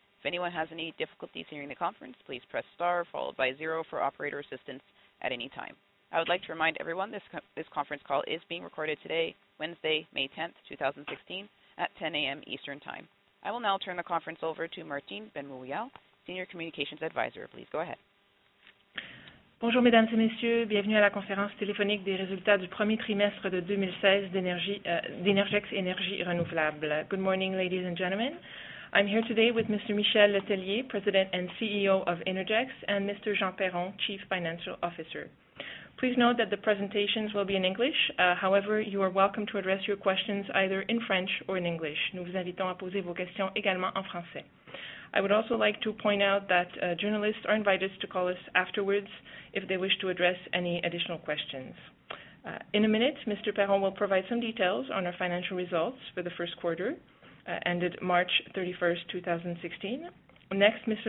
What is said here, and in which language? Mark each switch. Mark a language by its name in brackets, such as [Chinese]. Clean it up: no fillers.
[English] If anyone has any difficulties hearing the conference, please press star followed by zero for operator assistance at any time. I would like to remind everyone this conference call is being recorded today, Wednesday, May 10th, 2016, at 10 a.m. Eastern Time. I will now turn the conference over to Martine Ben-Mouillal, Senior Communications Advisor. Please go ahead. [French] Bonjour, mesdames et messieurs. Bienvenue à la conférence téléphonique des résultats du premier trimestre de 2016 d'Innergex Énergies Renouvelables. [English] Good morning, ladies and gentlemen. I'm here today with Mr. Michel Letellier, President and CEO of Innergex, and Mr. Jean Perron, Chief Financial Officer. Please note that the presentations will be in English. However, you are welcome to address your questions either in French or in English. [French] Nous vous invitons à poser vos questions également en français. [English] I would also like to point out that journalists are invited to call us afterwards if they wish to address any additional questions. In a minute, Mr. Perron will provide some details on our financial results for the first quarter, ended March 31st, 2016. Next, Mr.